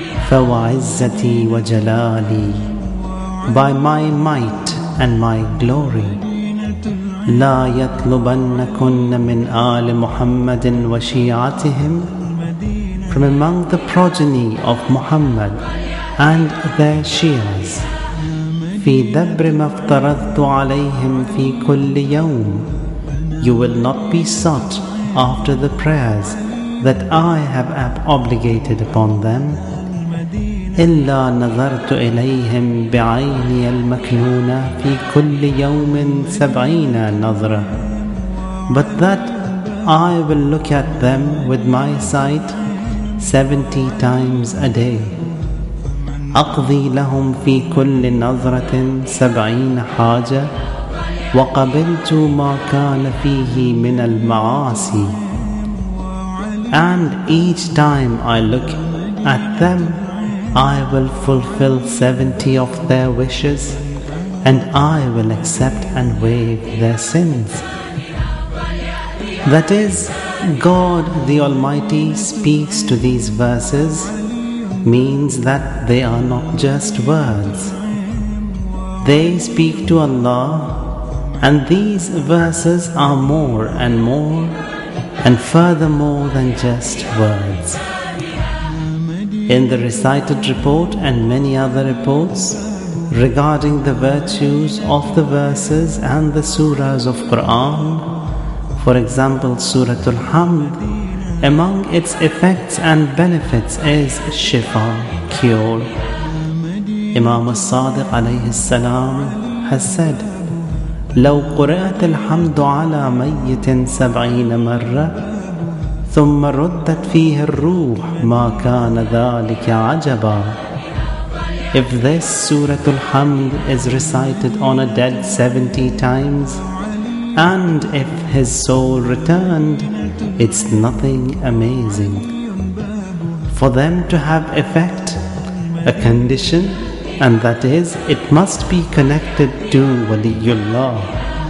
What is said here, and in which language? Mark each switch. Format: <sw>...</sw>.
<ar>فَوَعِزَّتِي وَجَلَالِي.</ar> <en>By my might and my glory.</en> <ar>لَا يَطْلُبَنَّكُنَّ مِنْ آلِ مُحَمَّدٍ وَشِيَعَتِهِمْ.</ar> <en>From among the progeny of Muhammad and their Shias.</en> <ar>في دبر ما افترضت عليهم في كل يوم.</ar> <en>You will not be sought after the prayers that I have obligated upon them.</en> <ar>إلا نظرت إليهم بعيني المكنونة في كل يوم سبعين نظرة.</ar> <en>But that I will look at them with my sight 70 times a day.</en> <ar>أقضي لهم في كل نظرة 70 حاجة وقبلت ما كان فيه من المعاصي.</ar> <en>And each time I look at them, I will fulfill 70 of their wishes, and I will accept and waive their sins. That is, God the Almighty speaks to these verses, means that they are not just words. They speak to Allah, and these verses are more and more and furthermore than just words. in the recited report and many other reports regarding the virtues of the verses and the surahs of Quran. For example, Suratul Hamd, among its effects and benefits is shifa, cure. Imam al-Sadiq alayhi salam has said,</en> <ar>لو قرأت الحمد على ميت سبعين مرة ثم ردت فيه الروح ما كان ذلك عجبا.</ar> <en>If this Suratul Hamd is recited on a dead 70 times, and if his soul returned, it's nothing amazing. For them to have effect, a condition, and that is, it must be connected to Waliyullah.</en>